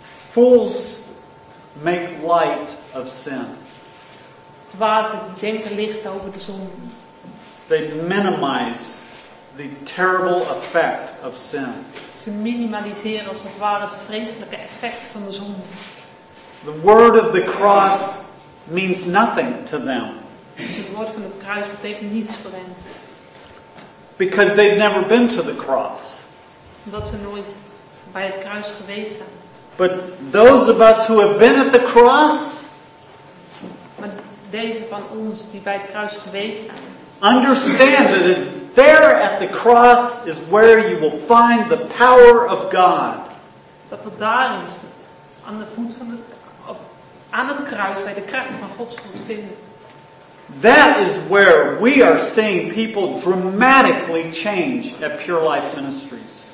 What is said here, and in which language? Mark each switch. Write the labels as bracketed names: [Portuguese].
[English] Fools make light of sin. [Dutch] Dwazen denken licht over de zonde. [English] They minimize the terrible effect of sin. [Dutch] Ze minimaliseren als het ware het vreselijke effect van de zonde. [English] The word of the cross means nothing to them. [Dutch] Het woord van het kruis betekent niets voor hen. [English] Because they've never been to the cross. [Dutch] Omdat ze nooit bij het kruis geweest zijn. [English] But those of us who have been at the cross, [Dutch] maar deze van ons die bij het kruis geweest zijn, [English] understand that it's there at the cross is where you will find the power of God. [Dutch] Dat het daar is, aan de voet van de, op, aan het kruis, bij de kracht van God zult vinden. [English] That is where we are seeing people dramatically change at Pure Life Ministries.